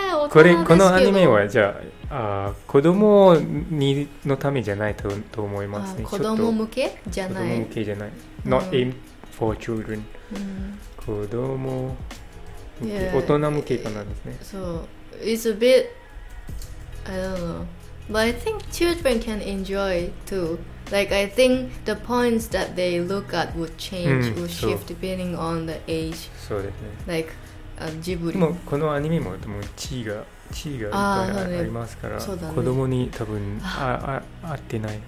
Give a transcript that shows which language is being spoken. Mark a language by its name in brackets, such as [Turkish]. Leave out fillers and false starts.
[Japanese] このアニメはじゃあ、子供にのためじゃない と思いますね。子供向けじゃない。子供向けじゃない、うん、 [English] Not aimed for children、 [Japanese] うん、子供向け、yeah. 大人向けかなんですね。そう、 [English] so, It's a bit I don't know But I think children can enjoy tooLike, I think the points that they look at would change,、うん、would shift depending on the age. [Japanese] そうですね。 [English] Like, ジブリ。 [Japanese] でも、このアニメも、でも、地位がいっぱいありますから、そうだね、子供に多分、合ってない。